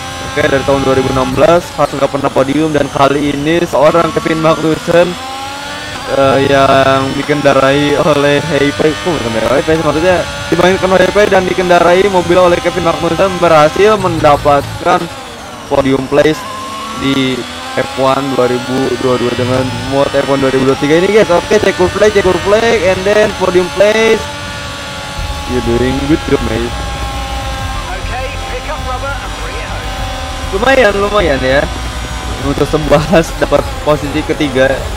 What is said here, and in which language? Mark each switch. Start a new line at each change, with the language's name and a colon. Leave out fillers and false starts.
Indonesian: Oke, dari tahun 2016 Haas nggak pernah podium, dan kali ini seorang Kevin Magnussen yang dikendarai oleh Heipei, maksudnya dimainkan oleh Heipei dan dikendarai mobil oleh Kevin Magnussen, berhasil mendapatkan
English: podium place
Indonesian: di F1 2022 dengan mod F1 2023 ini guys.
English: Oke, check your flag and then podium place. You're doing good job, mate. Okay, pick up rubber and bring it home.
Indonesian: Lumayan ya. Untuk sebelas dapat posisi ketiga.